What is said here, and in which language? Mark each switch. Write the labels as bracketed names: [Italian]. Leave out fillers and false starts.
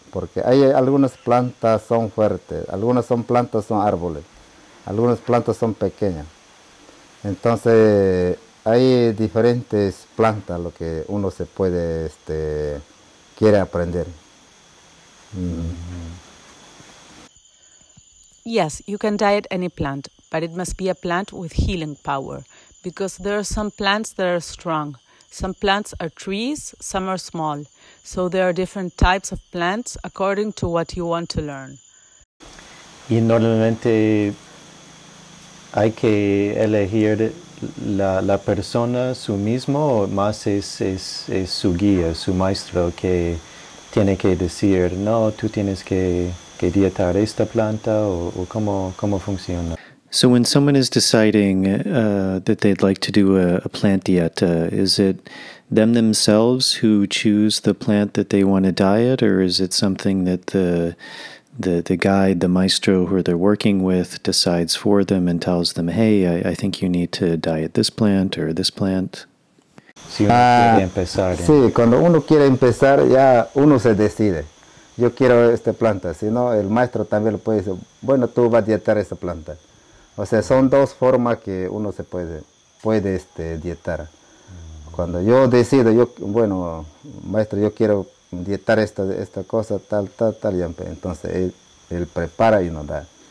[Spanish] Porque hay algunas plantas son fuertes, algunas son plantas son árboles, algunas plantas son pequeñas. Entonces, hay diferentes plantas lo que uno se puede, quiere aprender. [English] Yes, you can diet any plant, but it must be a plant with healing power. Because there are some plants that are strong. Some plants are trees, some are small. So there are different types of plants according to what you want to learn. [Spanish] Y normalmente hay que elegir la persona, su mismo, o más es su guía, su maestro, que tiene que decir, no, tú tienes que dietar esta planta, o cómo funciona. [English] So when someone is deciding that they'd like to do a plant dieta, is it themselves who choose the plant that they want to diet, or is it something that the guide, the maestro who they're working with, decides for them and tells them, hey, I think you need to diet this plant or this plant? [Spanish] Si uno quiere empezar. Sí, cuando uno quiere empezar, ya uno se decide. Yo quiero esta planta. Si no, el maestro también lo puede decir, bueno, tú vas a dietar esta planta. O sea, son dos formas que uno se puede dietar. Cuando yo decido, yo, bueno, maestro, yo quiero dietar esta cosa, tal, entonces él prepara y nos da.